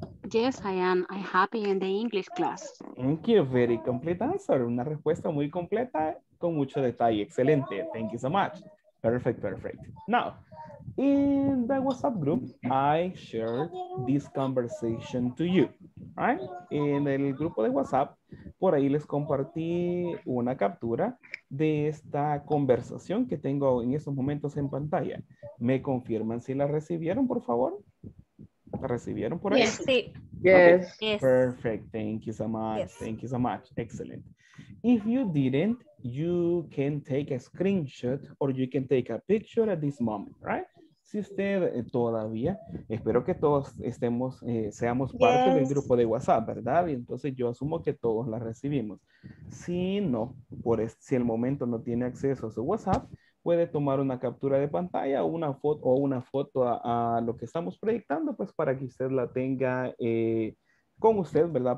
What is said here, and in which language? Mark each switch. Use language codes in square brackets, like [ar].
[en] Yes, I am. I'm happy in the English class. Thank you. Very complete answer. [es] Una respuesta muy completa con mucho detalle. Excelente. [en] Thank you so much. Perfect, perfect. Now, in the WhatsApp group, I shared this conversation to you, right? [es] En el grupo de WhatsApp, por ahí les compartí una captura de esta conversación que tengo en estos momentos en pantalla. ¿Me confirman si la recibieron, por favor? ¿La recibieron por ahí? [en] Yes, sí. Yes. Okay. Perfect. Thank you so much. Yes. Thank you so much. Excellent. If you didn't, you can take a screenshot or you can take a picture at this moment, right? [es] Si usted todavía, espero que todos estemos, seamos parte del grupo de WhatsApp, ¿verdad? Y entonces yo asumo que todos la recibimos. Si no, por si el momento no tiene acceso a su WhatsApp, puede tomar una captura de pantalla o una foto a lo que estamos proyectando, pues para que usted la tenga con usted, ¿verdad?